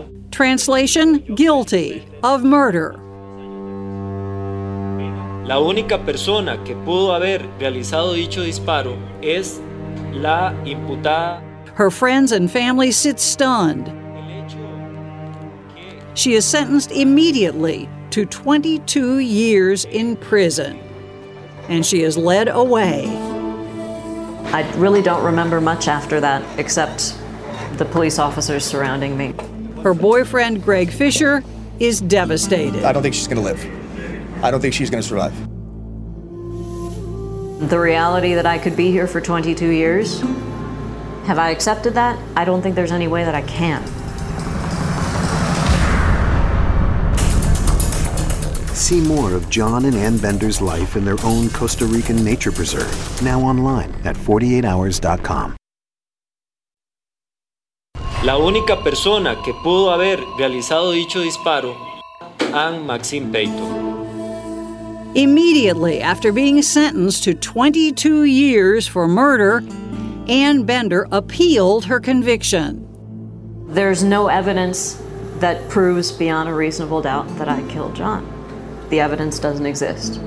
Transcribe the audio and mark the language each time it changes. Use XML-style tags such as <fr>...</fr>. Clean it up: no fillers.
<en>Translation, guilty of murder.</en> <es>La única persona que pudo haber realizado dicho disparo es la imputada.</es> <en>Her friends and family sit stunned. She is sentenced immediately to 22 years in prison. And she is led away. I really don't remember much after that, except the police officers surrounding me. Her boyfriend, Greg Fisher, is devastated. I don't think she's going to live. I don't think she's going to survive. The reality that I could be here for 22 years, have I accepted that? I don't think there's any way that I can. See more of John and Ann Bender's life in their own Costa Rican nature preserve, now online at 48hours.com.</en> <es>La única persona que pudo haber realizado dicho disparo, Ann Maxine Payton.</es> <en>Immediately after being sentenced to 22 years for murder, Ann Bender appealed her conviction. There's no evidence that proves beyond a reasonable doubt that I killed John. The evidence doesn't exist.</en>